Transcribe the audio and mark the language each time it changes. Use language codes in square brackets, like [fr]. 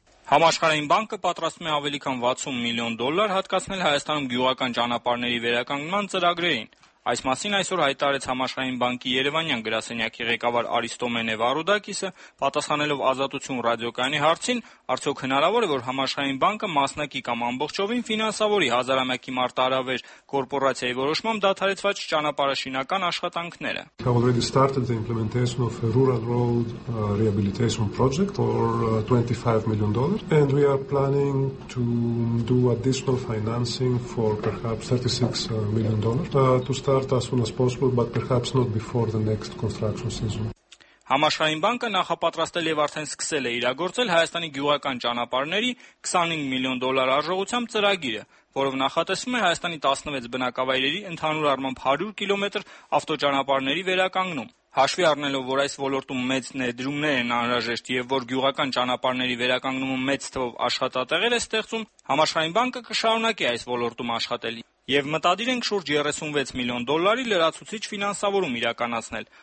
[hy] Համաշխարհային բանկը պատրաստում է ավելի քան $60 միլիոն հատկացնել Հայաստանում գյուղական ճանապարհների վերականգնման ծրագրերին։ Այս մասին այսօր հայտարարեց Համաշխարհային բանկի Երևանյան գրասենյակի ղեկավար Արիստոմեն Վարուդակիսը, պատասխանելով Ազատություն ռադիոկայանի հարցին, արդյոք հնարավոր է, որ Համաշխարհային բանկը մասնակի կամ ամբողջովին ֆինանսավորի հազարամյակի մարտահրավեր կորպորացիայի որոշմամբ դադարեցված ճանապարհաշինական աշխատանքները։ [en] We have already started the implementation of a rural road rehabilitation project for $25 million, and we are planning to do additional financing for perhaps $36 million to start as soon as possible, but perhaps not before the next construction season. [hy] Համաշխարհային բանկը նախապատրաստել եւ արդեն սկսել է իրագործել Հայաստանի գյուղական ճանապարհների $25 միլիոն արժողությամբ ծրագիրը, որով նախատեսվում է Հայաստանի 16 բնակավայրերի ընդհանուր առմամբ 100 կիլոմետր ավտոճանապարհների վերականգնում։ Հաշվի առնելով, որ այս ոլորտում մեծ ներդրումներ են անհրաժեշտ եւ որ գյուղական ճանապարհների վերականգնումը մեծ թվով աշխատատեղեր է ստեղծում, Համաշխարհային բանկը կշարունակի այս ոլորտում աշխատել։ Եվ մտադիր ենք շուրջ $36 միլիոն լրացուցիչ ֆինանսավորում իրականացնել։